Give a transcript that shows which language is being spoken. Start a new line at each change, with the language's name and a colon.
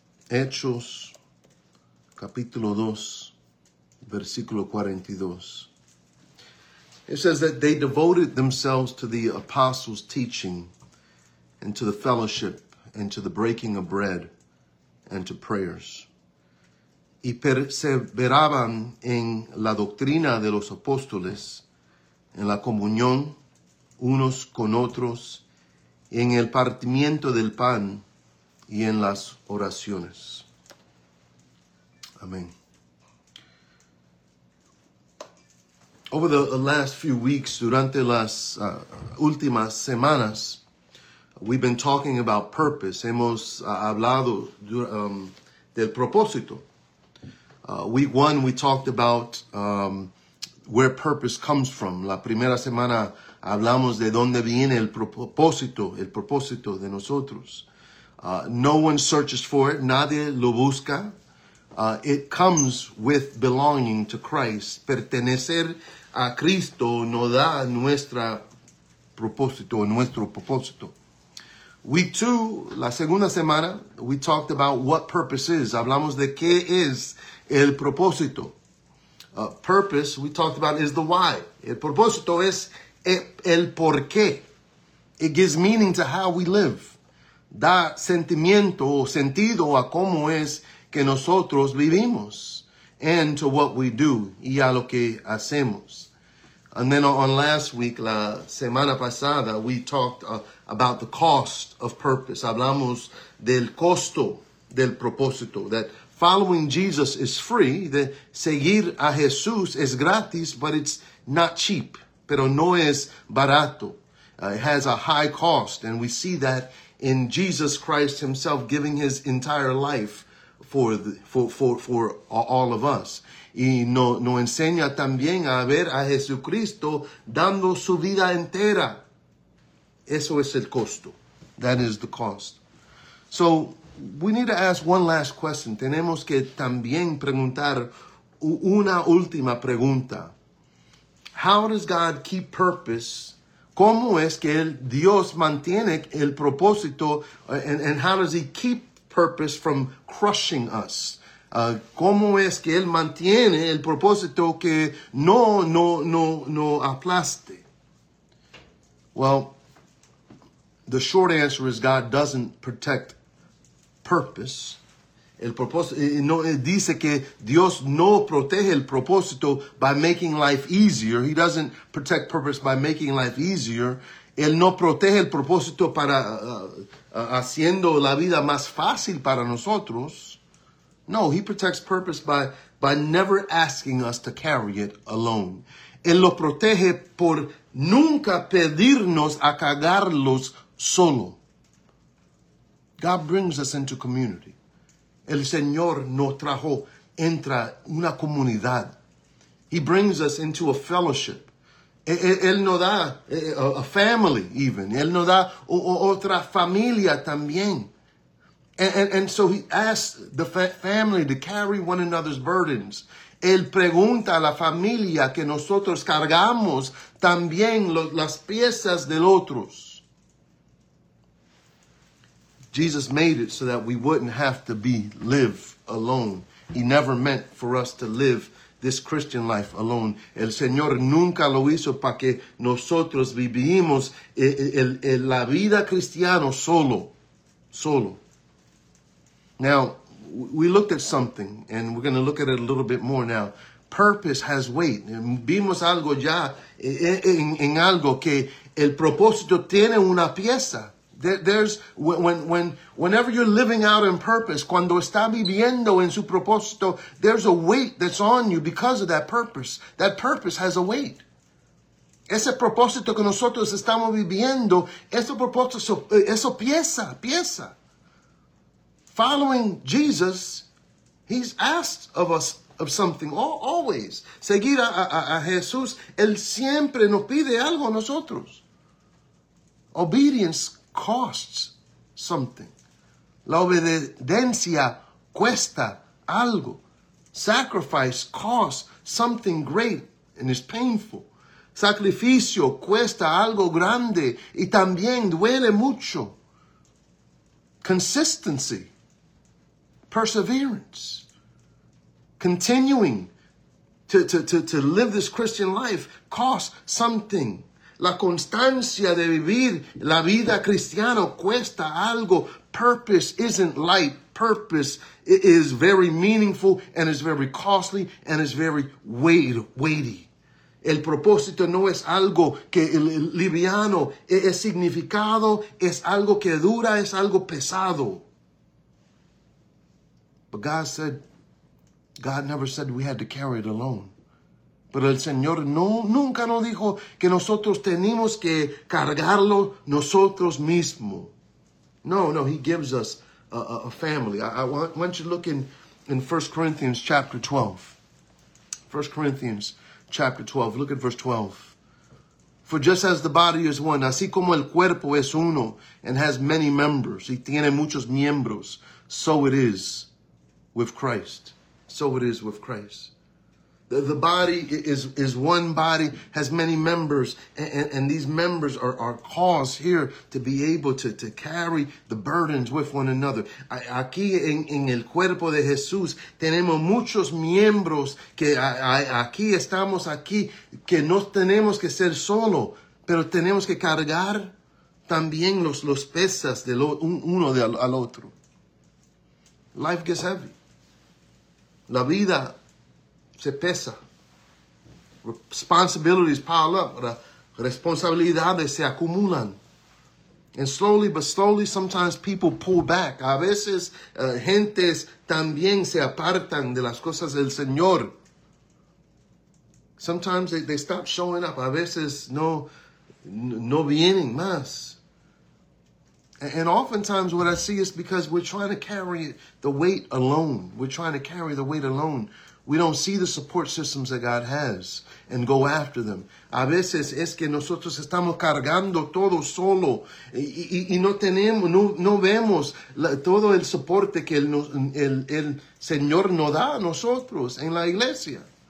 Spanish: Hechos, capítulo 2, versículo 42.
English: It says that they devoted themselves to the apostles' teaching and to the fellowship and to the breaking of bread and to prayers.
Spanish: Y perseveraban en la doctrina de los apóstoles, en la comunión unos con otros, en el partimiento del pan y en las oraciones. Amén.
English: Over the last few weeks,
Spanish: durante las últimas semanas,
English: We've been talking about purpose.
Spanish: Hemos hablado del propósito.
English: Week one, we talked about where purpose comes from.
Spanish: La primera semana hablamos de dónde viene el propósito de nosotros.
English: No one searches for it.
Spanish: Nadie lo busca.
English: It comes with belonging to Christ.
Spanish: Pertenecer a Cristo nos da nuestra propósito, nuestro propósito.
English: Week two,
Spanish: la segunda semana,
English: we talked about what purpose is.
Spanish: Hablamos de qué es el propósito.
English: Purpose, we talked about, is the why.
Spanish: El propósito es el por qué.
English: It gives meaning to how we live.
Spanish: Da sentimiento o sentido a cómo es que nosotros vivimos.
English: And to what we do
Spanish: y a lo que hacemos.
English: And then on last week,
Spanish: la semana pasada,
English: we talked about the cost of purpose.
Spanish: Hablamos del costo del propósito.
English: That following Jesus is free.
Spanish: De seguir a Jesús es gratis,
English: but it's not cheap.
Spanish: Pero no es barato.
English: It has a high cost. And we see that in Jesus Christ himself giving his entire life for all of us.
Spanish: Y nos enseña también a ver a Jesucristo dando su vida entera. Eso es el costo.
English: That is the cost. So we need to ask one last question.
Spanish: Tenemos que también preguntar una última pregunta.
English: How does God keep purpose?
Spanish: ¿Cómo es que Dios mantiene el propósito?
English: And how does he keep purpose from crushing us?
Spanish: ¿Cómo es que él mantiene el propósito que no aplaste?
English: Well, the short answer is God doesn't protect purpose.
Spanish: El propósito, no, dice que Dios no protege el propósito
English: by making life easier. He doesn't protect purpose by making life easier.
Spanish: Él no protege el propósito para haciendo la vida más fácil para nosotros.
English: No, he protects purpose by never asking us to carry it alone.
Spanish: Él lo protege por nunca pedirnos a cargarlos solo.
English: God brings us into community.
Spanish: El Señor nos trajo entra una comunidad.
English: He brings us into a fellowship.
Spanish: Él nos da
English: a family
Spanish: even. Él nos da otra familia también.
English: And so he asks the family to carry one another's burdens.
Spanish: Él pregunta a la familia que nosotros cargamos también las piezas del otros.
English: Jesus made it so that we wouldn't have to live alone. He never meant for us to live this Christian life alone.
Spanish: El Señor nunca lo hizo para que nosotros vivimos la vida cristiana solo.
English: Now, we looked at something, and we're going to look at it a little bit more now. Purpose has weight.
Spanish: Vimos algo ya en algo que el propósito tiene una pieza.
English: There's whenever you're living out in purpose,
Spanish: cuando está viviendo en su propósito,
English: there's a weight that's on you because of that purpose. That purpose has a weight.
Spanish: Ese propósito que nosotros estamos viviendo, ese propósito, eso pieza.
English: Following Jesus, he's asked of us of something, always.
Spanish: Seguir a Jesús, él siempre nos pide algo a nosotros.
English: Obedience costs something.
Spanish: La obediencia cuesta algo.
English: Sacrifice costs something great and is painful.
Spanish: Sacrificio cuesta algo grande y también duele mucho.
English: Consistency. Perseverance, continuing to live this Christian life costs something.
Spanish: La constancia de vivir la vida cristiana cuesta algo.
English: Purpose isn't light. Purpose is very meaningful and is very costly and is very weighty.
Spanish: El propósito no es algo que liviano, es significado, es algo que dura, es algo pesado.
English: But God never said we had to carry it alone.
Spanish: Pero el Señor no, nunca nos dijo que nosotros tenemos que cargarlo nosotros mismos.
English: No, no, He gives us a family. I want you to look in 1 Corinthians chapter 12. 1 Corinthians chapter 12. Look at verse 12. For just as the body is one,
Spanish: así como el cuerpo es uno
English: and has many members,
Spanish: y tiene muchos miembros,
English: so it is with Christ. So it is with Christ. The body is one body, has many members, and these members are caused here to be able to carry the burdens with one another.
Spanish: Aquí en el cuerpo de Jesús tenemos muchos miembros que aquí estamos aquí, que no tenemos que ser solo, pero tenemos que cargar también los pesas de uno al otro.
English: Life gets heavy.
Spanish: La vida se pesa.
English: Responsibilities pile up.
Spanish: Responsabilidades se acumulan.
English: And slowly but slowly, sometimes people pull back.
Spanish: A veces, gentes también se apartan de las cosas del Señor.
English: Sometimes they stop showing up.
Spanish: A veces no vienen más.
English: And oftentimes what I see is because we're trying to carry the weight alone. We're trying to carry the weight alone. We don't see the support systems that God has and go after them.
Spanish: A veces es que nosotros estamos cargando todo solo y no tenemos, no vemos todo el soporte que el Señor nos da a nosotros en la iglesia.